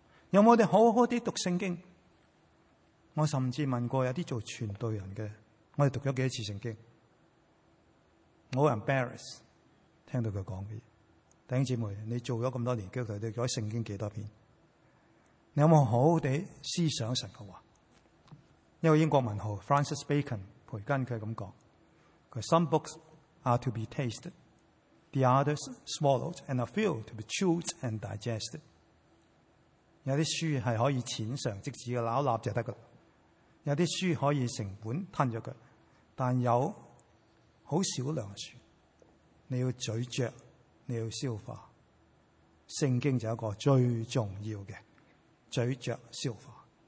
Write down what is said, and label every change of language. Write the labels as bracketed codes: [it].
[zh] 有没有好好地读圣经？我甚至问过有些做传道人的，我们读了几次圣经，我很 embarrass 听到他讲的。弟兄姊妹，你做了这么多年基督徒，你读了圣经几多遍？你有没有好好地思想神的话？一个英国文豪 [en] Francis Bacon [zh] 培根他这么讲，他 [en] Some books are to be tasted, the others swallowed, and a few to be chewed and digested。 [zh] 有些书是可以浅尝即止的，咬一口就可以了。有些书可以成本吞了它，但有很少量书你要咀嚼，你要消化。圣经就是一个最重要的咀嚼消化。